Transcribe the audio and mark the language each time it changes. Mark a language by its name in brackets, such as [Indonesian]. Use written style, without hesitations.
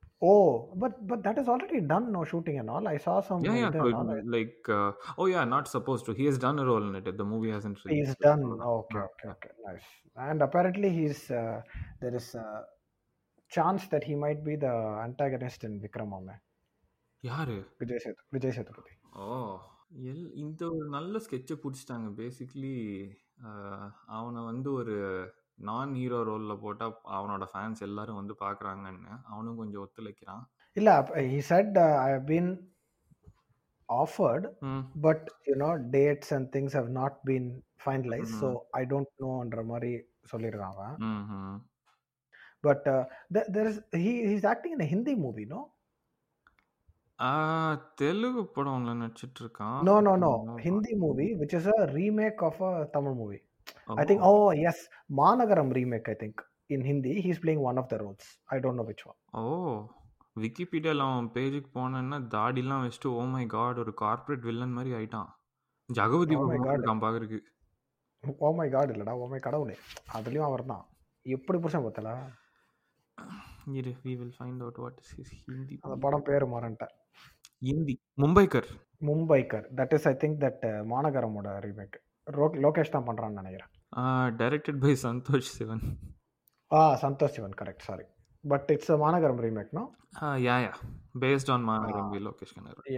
[English] oh but that is already done no shooting and all I saw some not supposed to he has done a role in it the movie hasn't released he's done okay nice and apparently he's there is a chance that he might be the antagonist in Vikramamma yaar vijay sethupathi [Tamil] oh இந்த ஒரு நல்ல ஸ்கெட்ச பிடிச்சிட்டாங்க basically அவனை வந்து ஒரு நான் hero ரோலில் போட்டால் அவனோட ஃபேன்ஸ் எல்லாரும் வந்து பார்க்குறாங்கன்னு அவனும் கொஞ்சம் ஒத்துழைக்கிறான். [English] இல்லை he said I have been offered but you know dates and things have not been finalise so I don't நோன்ற [Tamil] மாதிரி சொல்லிடுறான் அவன். [English] but there is he is acting in a Hindi movie no [Tamil] Telugu படம் நடிச்சிட்டு இருக்கான். [English] No no no Hindi movie which is a remake of a Tamil movie I think. Oh yes Maanagaram remake I think in Hindi he is playing one of the roles I don't know which one. [Tamil] ஓ விக்கிபீடியால அவன் பேஜுக்கு போனேன்னா தாடிலாம் வச்சுட்டு [English] oh my god [Tamil] ஒரு corporate villain மாதிரி ஆயிட்டான். ஜகபதி பாக்குறதுக்கு [English] oh my god [Tamil] இல்லடா ஓ மை கடவுளே அதுலயும் அவர் தான் எப்படி புருஷன் பார்த்தல. [English] Here we will find out what is his Hindi. [Tamil] அந்த படம் பேர் மறந்துட்ட. Hindi மும்பைக்கர். மும்பைக்கர் [English] that is I think that [Tamil] மாநகரமோட remake Lokesh தான் பண்றான்னு நினைக்கிறேன். [English] directed by [Tamil] Santhosh Sivan. [English] ஆ Santhosh Sivan correct sorry but it's a Maanagaram remake no. Yeah yeah based on Maanagaram by Lokesh Kanagaraj.